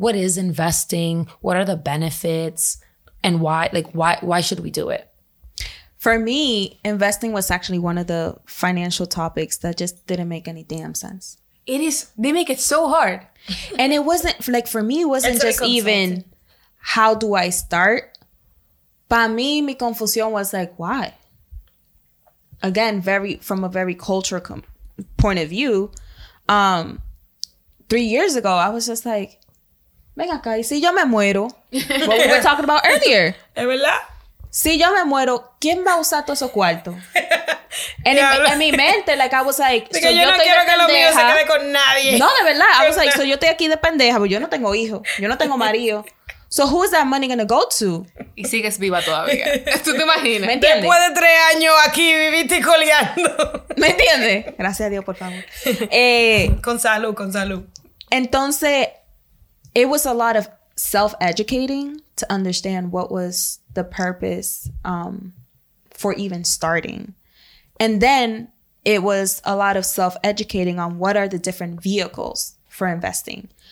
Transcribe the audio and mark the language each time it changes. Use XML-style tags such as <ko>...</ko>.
<en>What is investing? What are the benefits? And why should we do it? For me, investing was actually one of the financial topics that just didn't make any damn sense. It is. They make it so hard. And it wasn't, like, for me, it wasn't it's just even how do I start?</en> <es>Para mí, mi confusión</es> <en>was like, why? Again, from a very cultural point of view, 3 years ago, I was just like,</en> <es>venga acá, y si yo me muero,</es> <en>what we were talking about earlier.</en> <es>¿Es verdad? Si yo me muero, ¿quién va a usar todo eso cuarto?</es> <en>And in</en> <es>mi mente,</es> <en>like, I was like,</en> <es>so yo no estoy quiero que lo mío se quede con nadie. No, de verdad.</es> <en>I was like,</en> <es>so yo estoy aquí de pendeja, pero yo no tengo hijo, yo no tengo marido.</es> <en>So who is that money going to go to?</en> <es>Y sigues viva todavía. ¿Tú te imaginas? ¿Me entiendes? Después de 3 años aquí viviste coleando. ¿Me entiendes? Gracias a Dios, por favor. Con salud, con salud.</es> <en>Entonces, it was a lot of self-educating to understand what was the purpose for even starting. And then it was a lot of self-educating on what are the different vehicles for investing.</en>